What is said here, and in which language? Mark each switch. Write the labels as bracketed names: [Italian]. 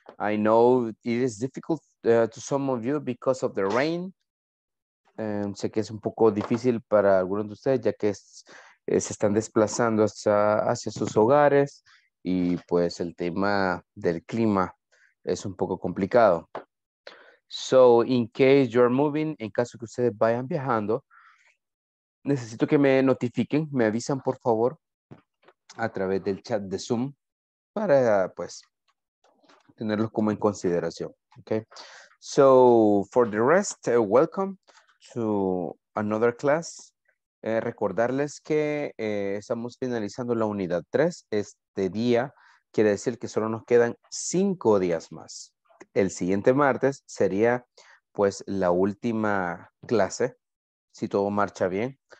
[English] I know it is difficult to some of you because of the rain. [Spanish] Sé que es un poco difícil para algunos de ustedes, ya que se están desplazando hacia sus hogares y pues el tema del clima es un poco complicado. [English] So, in case you're moving, [Spanish] en caso que ustedes vayan viajando, necesito que me notifiquen, me avisan, por favor, a través del chat de Zoom para, pues, tenerlo como en consideración, okay? [English] So, for the rest, welcome to another class. [Spanish] Recordarles que estamos finalizando la unidad 3. Este día quiere decir que solo nos quedan 5 días más. El siguiente martes sería, pues, la última clase, si todo marcha bien.